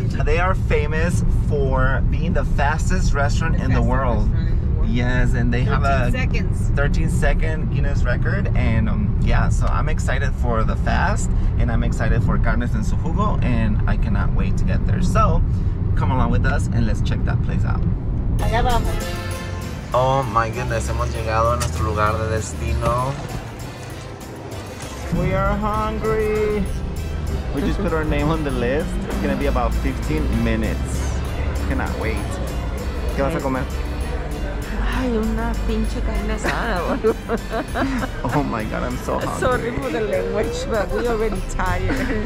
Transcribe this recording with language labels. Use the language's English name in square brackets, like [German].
[English] They are famous for being the fastest restaurant in the world. Yes, and they have a 13-second Guinness record, and yeah, so I'm excited for the fast, and I'm excited for Carnes en su jugo, and I cannot wait to get there. So, come along with us, and let's check that place out. [Spanish] Allá vamos. [English] Oh my goodness, [Spanish] hemos llegado a nuestro lugar de destino. [English] We are hungry. We just put our name on the list. It's gonna be about 15 minutes. Cannot wait. [Spanish] ¿Qué vas a comer? Ay, una pinche carne asada. [English] Oh my god, I'm so hungry. Sorry for the language, but we're already tired.